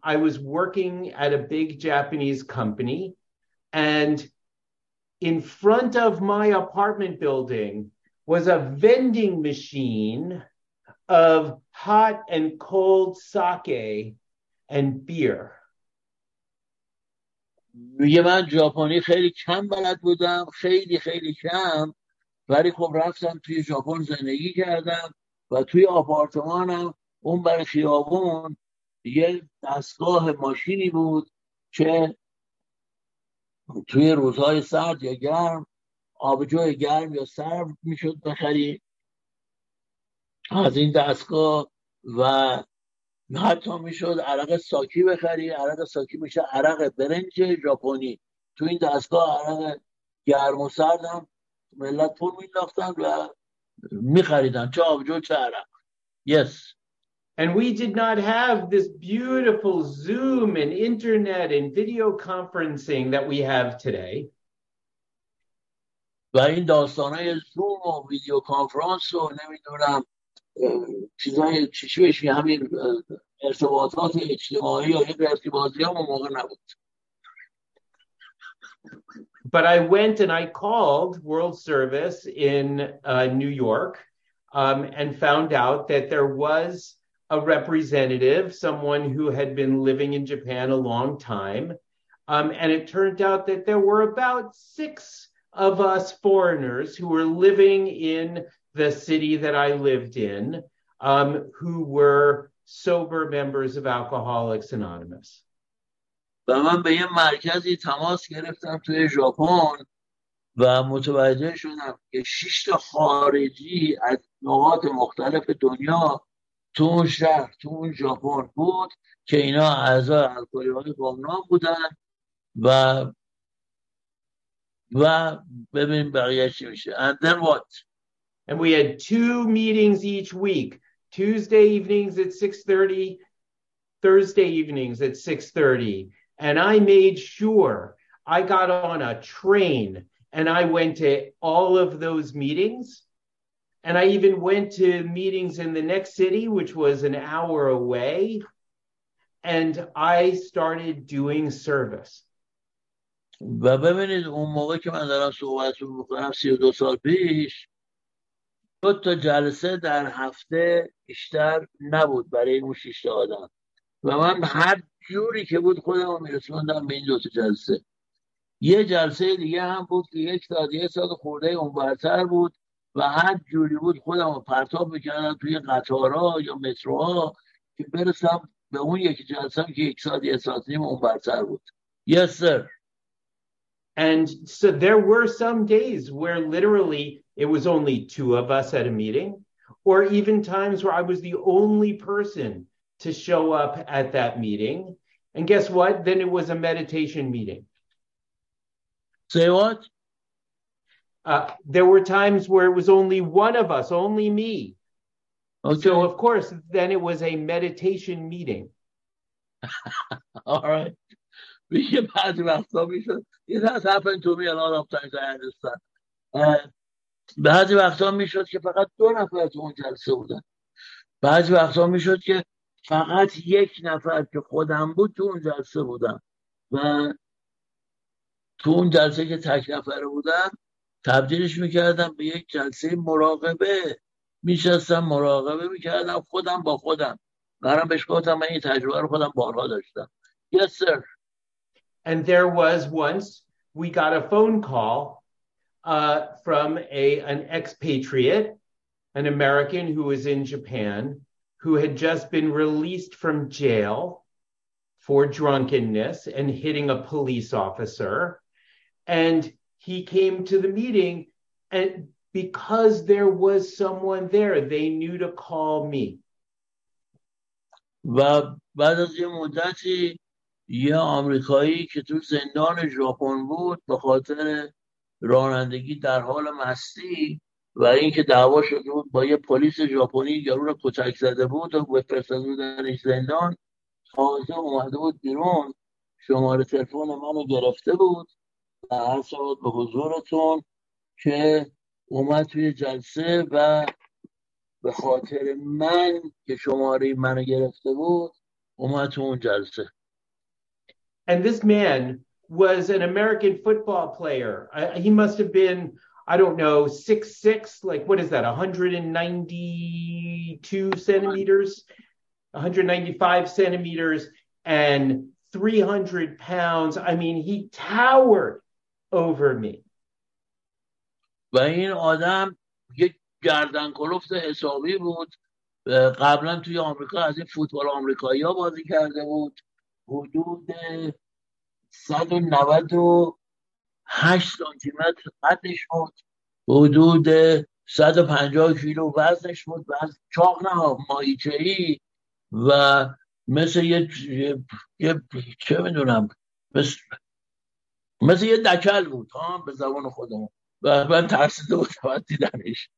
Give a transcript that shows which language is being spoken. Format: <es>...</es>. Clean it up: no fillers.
<en>I was working at a big Japanese company and in front of my apartment building was a vending machine of hot and cold sake and beer.</en> <fa>میگه من ژاپنی خیلی کم بلد بودم، خیلی خیلی کم، ولی خب رفتم توی ژاپن زندگی کردم و توی آپارتمانم اون بر خیابون یه دستگاه ماشینی بود که توی روزهای سرد یا گرم آبجو گرم یا سرد میشد بخری از این دستگاه و حتی میشد عرق ساکی بخری. عرق ساکی میشه عرق برنج ژاپنی. تو این دستگاه عرق گرم و سرد هم ملت پول میداختن و میخریدن، چه آبجو چه عرق.</fa> <en>Yes. And we did not have this beautiful Zoom and internet and video conferencing that we have today.</en> <fa>و این داستانهای زوم و ویدیو کانفرانس رو نمیدونم چیزای چشمش می همین ارتباطات اجتماعی یا این ارتباطی هم موقع نبود.</fa> <en>But I went and I called World Service in New York and found out that there was a representative, someone who had been living in Japan a long time. And it turned out that there were about 6 of us foreigners who were living in the city that I lived in, who were sober members of Alcoholics Anonymous.</en> <fa>و من به یه مرکزی تماس گرفتم توی ژاپن و متوجه شدم که 6 خارجی از نقاط مختلف دنیا تو اون شهر، تو اون ژاپن بود که اینا اعضای الکلیهای گمنام بودن و ببین بقیه چی میشه.</fa> <en>And then what? And we had 2 meetings each week, Tuesday evenings at 6:30, Thursday evenings at 6:30. And I made sure I got on a train and I went to all of those meetings. And I even went to meetings in the next city, which was an hour away. And I started doing service.</en> <fa>و ببینید اون موقع که من دارم صحبت می‌کنم 32 سال پیش، 2 جلسه در هفته بیشتر نبود برای اون 6 آدم و من هر جوری که بود خودم رو میرسوندم به این 2 جلسه. یه جلسه دیگه هم بود که 1 ساعت خورده اونورتر بود و هر جوری بود خودم رو پرتاب میکردم توی قطارها یا متروها که برسم به اون یک جلسه هم که 1 ساعت نیم اونورتر بود.</fa> <en>Yes sir. And so there were some days where literally it was only 2 of us at a meeting, or even times where I was the only person to show up at that meeting. And guess what? Then it was a meditation meeting. Say what? There were times where it was only 1 of us, only me. Okay. So, of course, then it was a meditation meeting. All right.</en> <fa>میگه بعضی وقتا میشد این</fa> <en>has happened to me a lot of times I understand.</en> <fa>بعضی وقتا میشد که فقط دو نفر تو اون جلسه بودن، بعضی وقتا میشد که فقط یک نفر که خودم بود تو اون جلسه بودم، و تو اون جلسه که تک نفر بودم تبدیلش میکردم به یک جلسه مراقبه، میشستم مراقبه میکردم خودم با خودم. برام بهش گفتم من این تجربه رو خودم بارها داشتم.</fa> <en>Yes sir. And there was once we got a phone call from an expatriate, an American who was in Japan, who had just been released from jail for drunkenness and hitting a police officer. And he came to the meeting, and because there was someone there, they knew to call me.</en> <fa>بعد از یه مدتی یه آمریکایی که تو زندان ژاپن بود به خاطر رانندگی در حال مستی و اینکه دعوا شده بود با یه پلیس ژاپنی یارو رو کتک زده بود و به فرستاده بودن زندان، تازه اومده بود بیرون، شماره تلفن منو گرفته بود و عرض بود به حضورتون که اومد توی جلسه و به خاطر من که شماره منو گرفته بود اومد تو اون جلسه.</fa> <en>And this man was an American football player. He must have been, I don't know, 6'6", like what is that, 192 centimeters, 195 centimeters, and 300 pounds. I mean, he towered over me.</en> <fa>و این آدم یک گردن کلفت حسابی بود. قبلا توی آمریکا از این فوتبال آمریکایی ها بازی کرده بود. حدود 198 سانتی متر قدش بود، حدود 150 کیلو وزنش بود، وزن چاق نه ماهیچه‌ای، و مثل یه چه میدونم مثل یه دکل بود ها به زبان خودمون، و من ترسیده بود و دیدمش.</fa>